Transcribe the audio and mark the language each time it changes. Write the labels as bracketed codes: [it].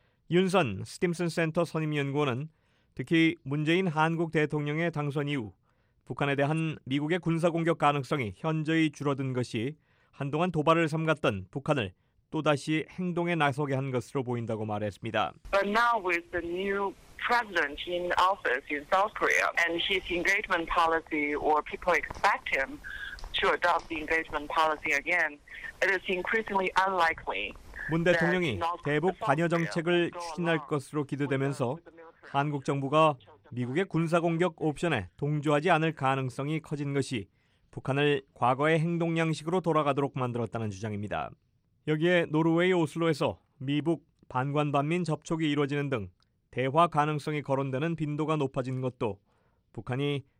[ko] 윤선 스팀슨 센터 선임연구원은 특히 문재인 한국 대통령의 당선 이후 북한에 대한 미국의 군사공격 가능성이 현저히 줄어든 것이 한동안 도발을 삼갔던 북한을 또다시 행동에 나서게 한 것으로 보인다고 말했습니다. [en] But now with the new president in office in South Korea and his engagement policy or people expect him to adopt the engagement policy again, it is increasingly unlikely. [ko] 문 대통령이 대북 관여 정책을 추진할 것으로 기대되면서 한국 정부가 미국의 군사공격 옵션에 동조하지 않을 가능성이 커진 것이 북한을 과거의 행동 양식으로 돌아가도록 만들었다는 주장입니다. 여기에 노르웨이 오슬로에서 미북 반관 반민 접촉이 이루어지는 등 대화 가능성이 거론되는 빈도가 높아진 것도 북한이